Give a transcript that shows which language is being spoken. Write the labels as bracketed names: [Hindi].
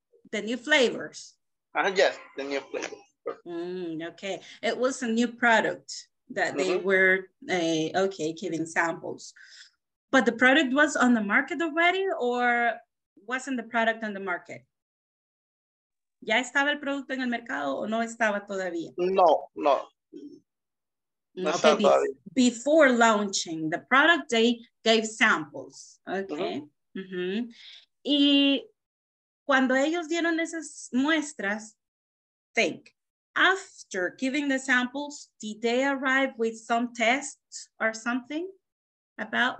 [English] The new flavors. Yes, the new flavors. Mm, okay, it was a new product that mm-hmm. they were giving samples. But the product was on the market already, or wasn't the product on the market? [Spanish] ¿Ya estaba el producto en el mercado o no estaba todavía? No. [English] Okay, before launching the product, they gave samples. Okay. Mm-hmm. Mm-hmm. [Spanish] Y cuando ellos dieron esas muestras, [English] think, after giving the samples, did they arrive with some tests or something about?